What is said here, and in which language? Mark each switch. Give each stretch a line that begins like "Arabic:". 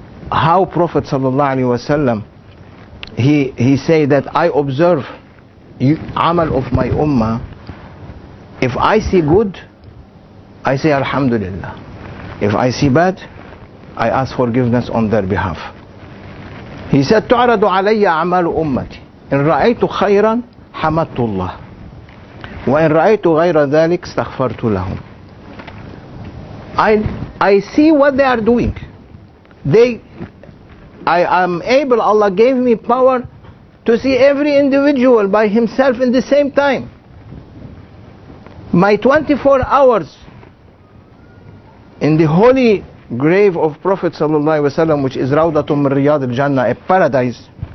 English: How Prophet sallallahu alaihi wasallam, he say that I observe amal of my ummah. If I see good, I say alhamdulillah. If I see bad, I ask forgiveness on their behalf.
Arabic: He said, تعرض علي أعمال أمتي. إن رأيت خيرا حمدت الله. وإن رأيت غير ذلك استغفرت لهم.
English: I see what they are doing. I am able, Allah gave me power to see every individual by himself in the same time. My 24 hours in the holy grave of Prophet sallallahu alaihi wasallam, which is Rawdatum min Riyad al-Jannah, a paradise.